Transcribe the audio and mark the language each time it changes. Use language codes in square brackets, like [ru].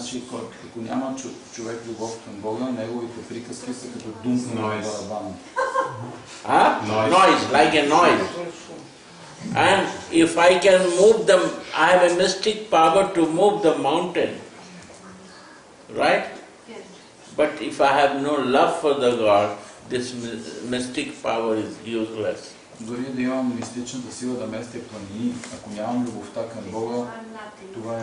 [bg] Значи, ако няма човек любов към Бога, неговите приказки са като дум на барабан. [en] А? Noise, like a noise. And if I can move them, I have a mystic power to move the mountain. Right? But if I have no love for the God, this mystic power is useless. [bg] Дори да имам мистичната сила да местя планини, ако нямам любовта към Бога, това е